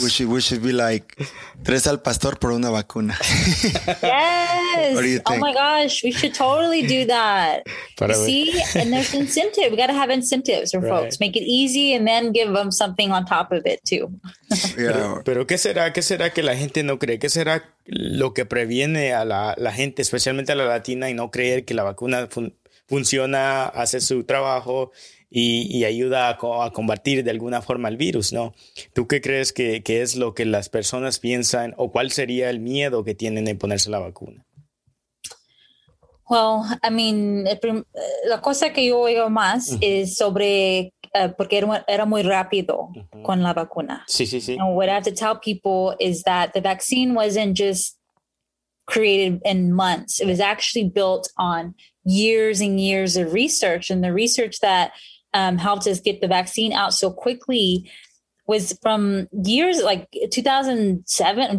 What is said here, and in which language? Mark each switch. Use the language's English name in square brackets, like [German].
[English] We should be like, [Spanish] tres al pastor por una vacuna. [English] Yes. What do you think? Oh my gosh, we should totally do that. You see, and there's incentive. We got to have incentives for folks. Make it easy and then give them something on top of it too. Yeah. [Spanish] Pero qué será? ¿Qué será que la gente no cree? ¿Qué será lo que previene a la gente, especialmente a la latina, y no creer que la vacuna funciona, hace su trabajo y ayuda a combatir de alguna forma el virus, ¿no? ¿Tú qué crees que es lo que las personas piensan o cuál sería el miedo que tienen en ponerse la vacuna? [English] Well, I mean, [Spanish] la cosa que yo oigo más es sobre, porque era muy rápido con la vacuna. Sí, sí, sí. [English] And what I have to tell people is that the vaccine wasn't just created in months. It was actually built on years and years of research. And the research that helped us get the vaccine out so quickly was from years like 2007.